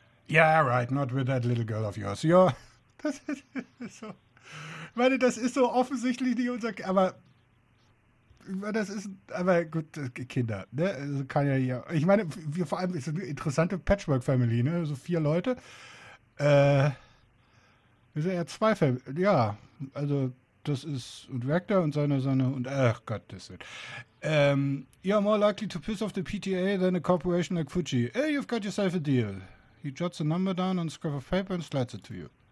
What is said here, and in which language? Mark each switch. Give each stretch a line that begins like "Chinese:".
English: Yeah, right, not with that little girl of yours.
German: Ja, das ist so. Ich meine, das ist so offensichtlich nicht unser Kind, aber. Das ist. Aber gut, Kinder, ne? Also kann ja hier. Ich meine, wir vor allem, ist eine interessante Patchwork-Family, ne? So 4 Leute. Wir sind ja 2 Familien. Ja, also. Das ist und Rector und seine Sonne und ach Gott, das wird.
English: You are more likely to piss off the PTA than a corporation like Fuji. Hey, you've got yourself a deal. He jots a number down on a scrap of paper and slides it to you.